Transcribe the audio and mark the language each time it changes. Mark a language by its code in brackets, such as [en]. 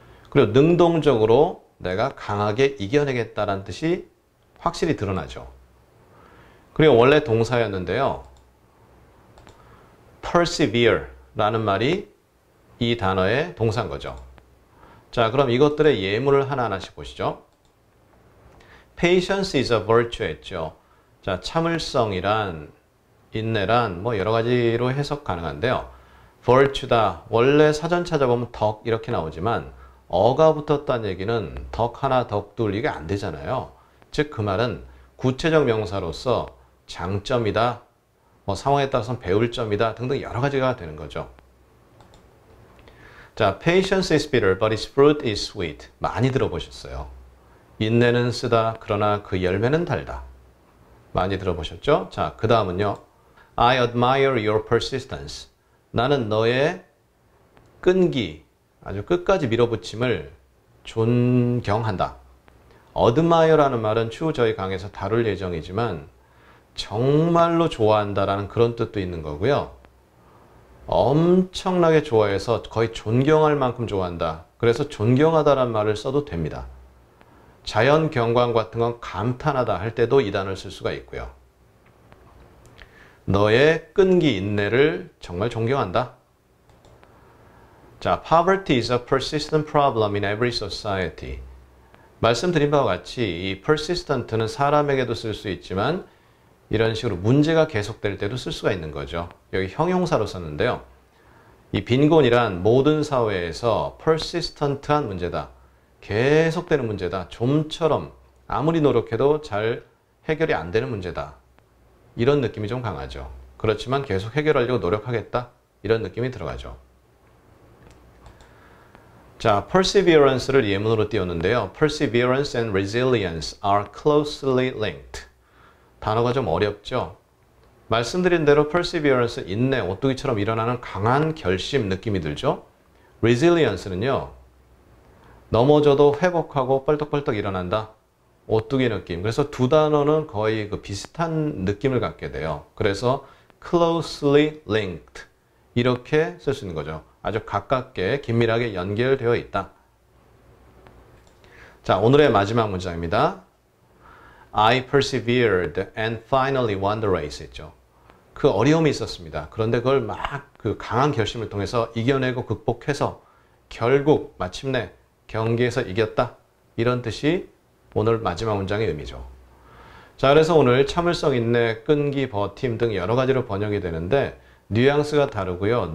[ko] 그리고 능동적으로 내가 강하게 이겨내겠다라는 뜻이 확실히 드러나죠. 그리고 원래 동사였는데요. persevere라는 말이 이 단어의 동사인 거죠. 자, 그럼 이것들의 예문을 하나하나씩 보시죠. [en] patience is a virtue 했죠. [ko] 자, 참을성이란 인내란 뭐 여러 가지로 해석 가능한데요. virtue다. 원래 사전 찾아보면 덕 이렇게 나오지만 어가 붙었다는 얘기는 덕 하나 덕 둘 이게 안 되잖아요. 즉 그 말은 구체적 명사로서 장점이다, 뭐 상황에 따라서 배울 점이다 등등 여러 가지가 되는 거죠. [en] 자, patience is bitter but its fruit is sweet. [ko] 많이 들어보셨어요. 인내는 쓰다 그러나 그 열매는 달다. 많이 들어보셨죠? 자, 그 다음은요. [en] I admire your persistence. [ko] 나는 너의 끈기, 아주 끝까지 밀어붙임을 존경한다. admire라는 말은 추후 저희 강의에서 다룰 예정이지만 정말로 좋아한다라는 그런 뜻도 있는 거고요. 엄청나게 좋아해서 거의 존경할 만큼 좋아한다. 그래서 존경하다라는 말을 써도 됩니다. 자연 경관 같은 건 감탄하다 할 때도 이 단어를 쓸 수가 있고요. 너의 끈기 인내를 정말 존경한다. [en] 자, poverty is a persistent problem in every society. [ko] 말씀드린 바와 같이 이 persistent는 사람에게도 쓸 수 있지만 이런 식으로 문제가 계속될 때도 쓸 수가 있는 거죠. 여기 형용사로 썼는데요. 이 빈곤이란 모든 사회에서 persistent한 문제다. 계속되는 문제다. 좀처럼 아무리 노력해도 잘 해결이 안 되는 문제다. 이런 느낌이 좀 강하죠. 그렇지만 계속 해결하려고 노력하겠다. 이런 느낌이 들어가죠. 자, perseverance를 예문으로 띄웠는데요. [en] Perseverance and resilience are closely linked. [ko] 단어가 좀 어렵죠? 말씀드린 대로 perseverance, 인내, 오뚜기처럼 일어나는 강한 결심 느낌이 들죠? resilience는요, 넘어져도 회복하고 뻘떡뻘떡 일어난다. 오뚜기 느낌. 그래서 두 단어는 거의 그 비슷한 느낌을 갖게 돼요. 그래서 closely linked 이렇게 쓸 수 있는 거죠. 아주 가깝게 긴밀하게 연결되어 있다. 자, 오늘의 마지막 문장입니다. [en] I persevered and finally won the race 했죠. [ko] 그 어려움이 있었습니다. 그런데 그걸 막 그 강한 결심을 통해서 이겨내고 극복해서 결국 마침내 경기에서 이겼다. 이런 뜻이 오늘 마지막 문장의 의미죠. 자, 그래서 오늘 참을성, 인내, 끈기, 버팀 등 여러 가지로 번역이 되는데 뉘앙스가 다르고요.